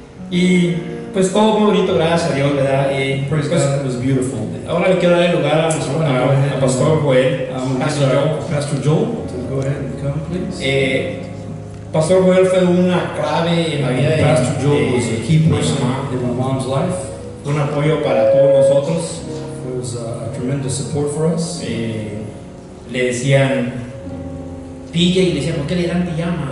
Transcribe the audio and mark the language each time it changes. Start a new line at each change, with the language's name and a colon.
Spanish: Y pues todo muy bonito, gracias a Dios, ¿verdad? Y pues,
English: God, it was beautiful.
Spanish: Ahora le quiero dar el lugar a Pastor Joel. Pastor Joel.
English: Pastor Joel, to go ahead and come, please.
Spanish: Pastor Joel fue una clave en la vida de
English: Pastor Joel was a key person in my mom's life.
Spanish: Un apoyo para todos nosotros.
English: It was a tremendous support for us.
Spanish: Le decían PJ, y le decían, ¿por qué le dan pijama?